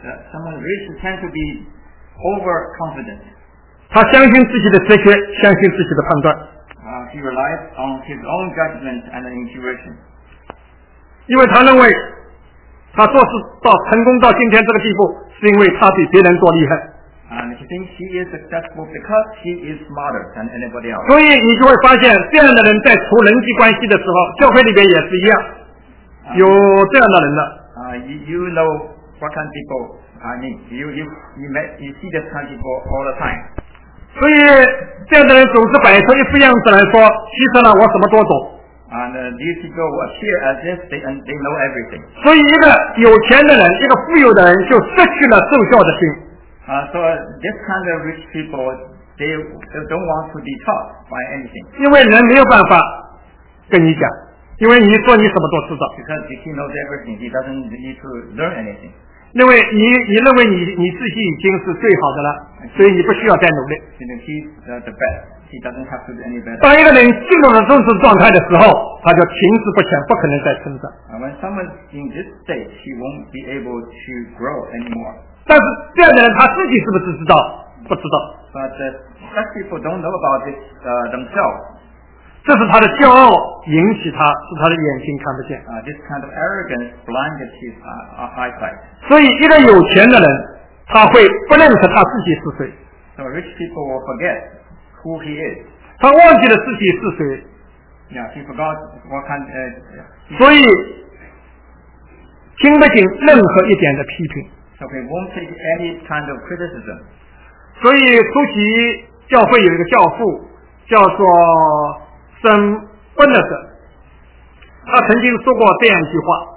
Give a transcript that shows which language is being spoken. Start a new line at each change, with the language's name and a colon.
English: Someone rich tend to be overconfident.
Chinese: 他相信自己的哲学，相信自己的判断。
English: He relies on his own judgment and intuition.
Chinese: 因为他认为他做事到成功到今天这个地步，是因为他比别人多厉害。
English: And he thinks he is successful because he is smarter than anybody else.
Chinese: 所以你就会发现，这样的人在处人际关系的时候，教会里边也是一样，有这样的人的。
English: You know what kind of people I mean. You see this kind of people all the time.
Chinese: 所以这样的人总是摆出一副样子来说，其实呢，我什么都懂。
English: And these people appear as if they know everything.
Chinese: 所以一个有钱的人，一个富有的人，就失去了受教的心。
English: So this kind of rich people, they don't want to be taught by anything.
Chinese: 因为人没有办法跟你讲，因为你说你什么都知道。
English: Because if he knows everything, he doesn't need to learn anything.
Chinese: 因为你认为你自己已经是最好的了，所以你不需要再努力。
English: Because he's the best, he doesn't have to do any better.
Chinese: 当一个人进入了正式状态的时候，他就停滞不前，不可能再成长。
English: When someone's in this state, he won't be able to grow anymore.
Chinese: 但是这样的人他自己是不是知道？不知道。
English: But such people don't know about this themselves.
Chinese: 这是他的骄傲引起他，是他的眼睛看不见。
English: This kind of arrogance blinded his eyesight.
Chinese: 所以一个有钱的人，他会不认识他自己是谁。
English: So rich people will forget who he is.
Chinese: 他忘记了自己是谁。
English: Yeah, he forgot what kind.
Chinese: 所以听不进任何一点的批评。
English: Okay, won't take any kind of criticism.
Chinese: 所以出席教会有一个教父叫做 Sam Bernard， 他曾经说过这样一句话。